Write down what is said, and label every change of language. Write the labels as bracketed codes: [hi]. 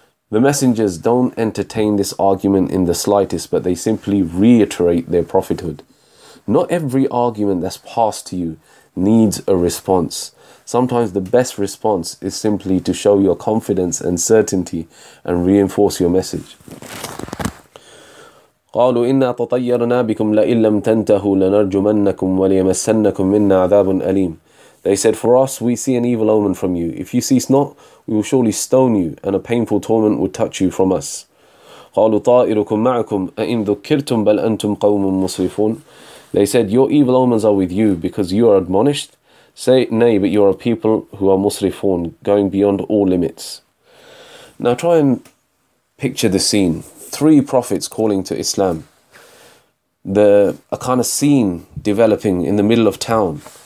[en] The messengers don't entertain this argument in the slightest, but they simply reiterate their prophethood. Not every argument that's passed to you needs a response. Sometimes the best response is simply to show your confidence and certainty and reinforce your message. [ar] قالوا إنا تطيرنا بكم لئن لم تنتهوا لنرجمنكم وليمسنكم منا عذاب أليم. [en] They said, for us, we see an evil omen from you. If you cease not, we will surely stone you, and a painful torment will touch you from us. [ar] قالوا طائركم معكم أئن ذكرتم بل أنتم قوم مسرفون. [en] They said, your evil omens are with you because you are admonished. Say, nay, but you are a people who are musrifun, going beyond all limits. Now try and picture the scene. Three prophets calling to Islam. A kind of scene developing in the middle of town.